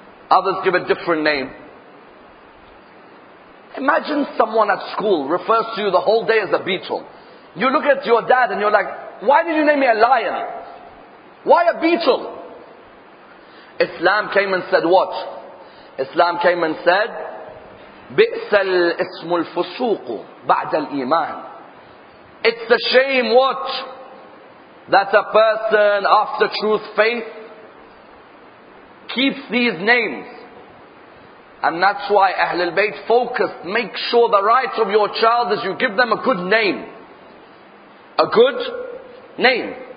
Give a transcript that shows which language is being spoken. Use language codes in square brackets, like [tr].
[en] Others give a different name. Imagine someone at school refers to you the whole day as a beetle. You look at your dad and you're like, why did you name me a lion? Why a beetle? Islam came and said what? Islam came and said, [ar] بِئْسَ الْإِسْمُ الْفُسُوقُ بَعْدَ الْإِيمَانِ. [en] It's a shame what? That a person after truth, faith, keeps these names. And that's why Ahlul Bayt focused, make sure the rights of your child is you give them a good name. A good name.